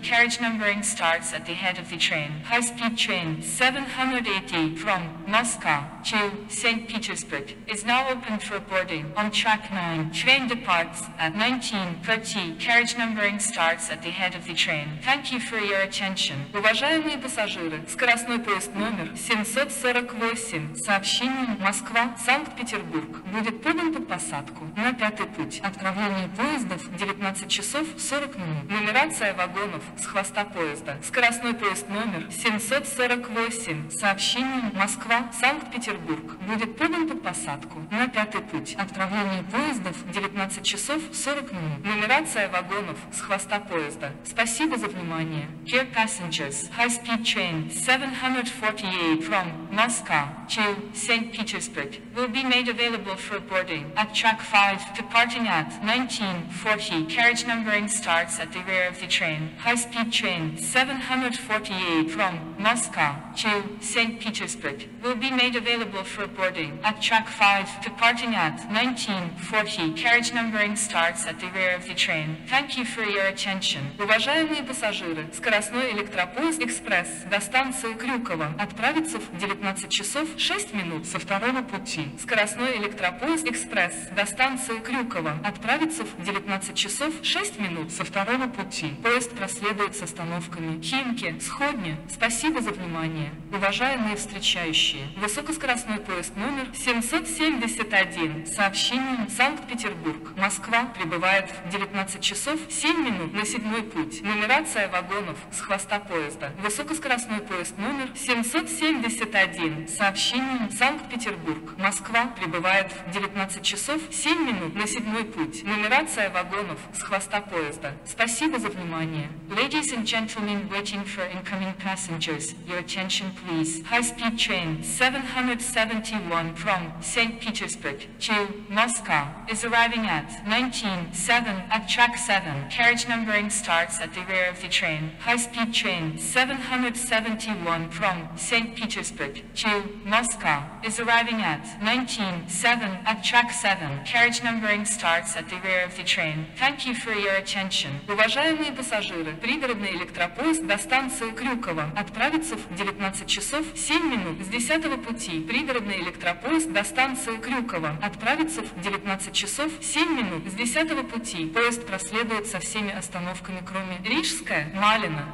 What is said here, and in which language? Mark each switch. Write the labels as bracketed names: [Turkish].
[English] Carriage numbering starts at the head of the train. High speed train 780 from Moscow to St. Petersburg is now open for boarding on track 9. Train departs at 19:30. Carriage numbering starts at the head of the train. Thank you for your attention. [Russian] Уважаемые пассажиры, скоростной поезд номер 748 сообщением Москва-Санкт-Петербург будет подан под посадку на 5-й путь. Отправление поездов 19:40. Нумерация вагонов с хвоста поезда. Скоростной поезд номер 748 сообщением Москва-Санкт-Петербург будет подан под посадку на 5-й путь. Отправление поездов 19:40. Нумерация вагонов с хвоста поезда. Спасибо за внимание. [English] Dear passengers, high speed train 748 from Moscow to St. Petersburg will be made available for boarding at track 5, departing at 19:40. Carriage numbering starts at the rear of the train. High speed train 748 from Moscow to St. Petersburg will be made available for boarding at track 5, departing at 19:40. Carriage numbering starts at the rear of the train. Thank you for your attention. [Russian] Уважаемые пассажиры, скоростной электропоезд «Экспресс» до станции Крюково отправится в 19:06 со второго пути. Скоростной электропоезд «Экспресс» до станции Крюково отправится в 19:06 со второго пути. Поезд проследует с остановками Химки, Сходня. Спасибо за внимание. Уважаемые встречающие, высокоскоростной поезд номер 771 сообщением Санкт-Петербург. Москва прибывает в 19:07 на 7-й путь. Нумерация вагонов с хвоста поезда. Высокоскоростной поезд номер 771 сообщением Санкт-Петербург. Москва прибывает в 19:07 на 7-й путь. Нумерация вагонов с хвоста поезда. Спасибо за внимание. [English] Ladies and gentlemen waiting for incoming passengers, your attention please. High speed train 771 from St. Petersburg to Moscow is arriving at 19:07 at track 7. Carriage numbering starts at the rear of the train. High speed train 771 from St. Petersburg to Moscow is arriving at 19:07 at track 7. Carriage numbering starts at the rear of the train. Thank you for your attention. [Russian] Уважаемые пассажиры, пригородный электропоезд до станции Крюково отправится в 19:07 с 10-го пути. Пригородный электропоезд до станции Крюково отправится в 19:07 с 10-го пути. Поезд проследует со всеми остановками, кроме Рижская, Малина.